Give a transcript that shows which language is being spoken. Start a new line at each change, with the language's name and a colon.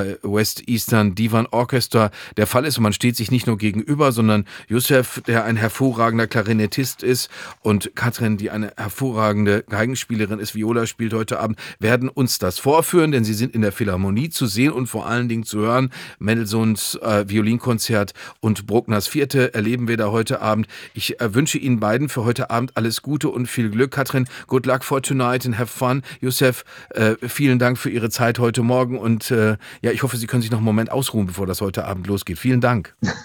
German: West Eastern Divan Orchestra der Fall ist. Und man steht sich nicht nur gegenüber, sondern Yusef, der ein hervorragender Klarinettist ist, und Katrin, die eine hervorragende Geigenspielerin ist, Viola spielt heute Abend, werden uns das vorführen, denn sie sind in der Philharmonie zu sehen und vor allen Dingen zu hören. Mendelssohns Violinkonzert und Bruckners Vierte erleben wir da heute Abend. Ich wünsche Ihnen beiden für heute Abend alles Gute und viel Glück.
English: Katrin, good luck for tonight and have fun.
German: Yusef, vielen Dank für Ihre Zeit heute Morgen und ja, ich hoffe, Sie können sich noch einen Moment ausruhen, bevor das heute Abend losgeht. Vielen Dank.